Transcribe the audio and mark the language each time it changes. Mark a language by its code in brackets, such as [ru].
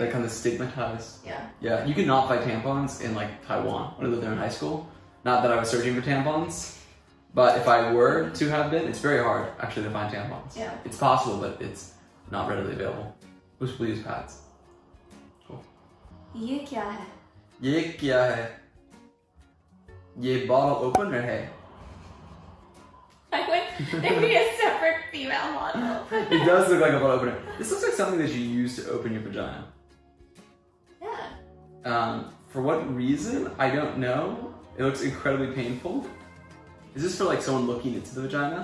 [en] Like kind of stigmatized. Yeah. Yeah, you could not buy tampons in like Taiwan when I lived there in high school. Not that I was searching for tampons, but if I were to have been, it's very hard actually to find tampons. Yeah. It's possible, but it's not readily available. Who's please pads? [hi] Cool. Ye kya hai? ये क्या है? ये [en] bottle opener [hi] है? [en] They'd be a separate female model. It does look like a bottle opener. This looks like something that you use to open your vagina. Yeah. For what reason? I don't know. It looks incredibly painful. Is this for like someone looking into the vagina?